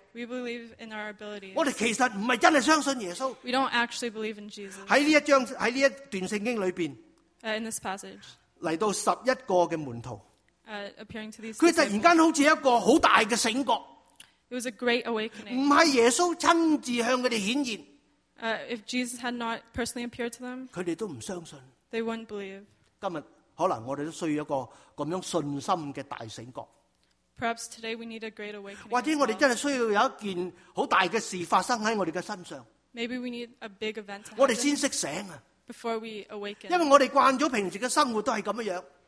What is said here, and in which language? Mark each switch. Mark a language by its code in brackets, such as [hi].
[en] We believe in our abilities. [yue] 我哋其实唔系真系相信耶稣。 [en] We don't actually believe in Jesus. [yue] 喺呢一章喺呢一段圣经里边。 [en] In this passage. [yue] 嚟到十一个嘅门徒。 [en] Appearing to these [yue] 佢突然间好似一个好大嘅醒觉。 [en] It was a great awakening. [yue] 唔系耶稣亲自向佢哋显现。 [en] If Jesus had not personally appeared to them, [yue] 佢哋都唔相信。 [en] They wouldn't believe. [yue] 今日可能我哋都需要一个咁样信心嘅大醒觉。 [en] Perhaps today we need a great awakening. [yue] 或者我哋真系需要有一件好大嘅事发生喺我哋嘅身上。 [en] Maybe we need a big event. [yue] 我哋先识醒啊 [en] ！Before we awaken. [yue] 因为我哋惯咗平时嘅生活都系咁样样。